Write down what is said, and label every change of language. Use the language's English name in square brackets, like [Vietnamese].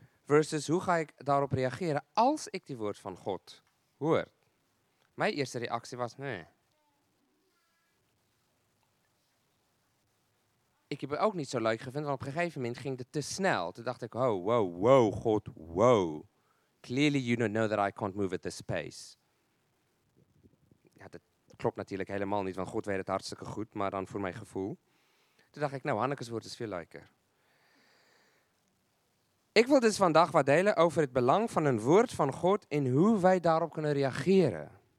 [Dutch] Versus hoe ga ik daarop reageren als ik die woord van God hoor? Mijn eerste reactie was, nee. Ik heb het ook niet zo leuk gevonden, want op een gegeven moment ging het te snel. Toen dacht ik, oh, wow, wow, God, wow. [English] Clearly you don't know that I can't move at this pace. [Dutch] Ja, dat klopt natuurlijk helemaal niet, want God weet het hartstikke goed, maar dan voor mijn gevoel. Toen dacht ik, nou, Hanneke's woord is veel leuker. Ik wil dus vandaag wat delen over het belang van een woord van God en hoe wij daarop kunnen reageren.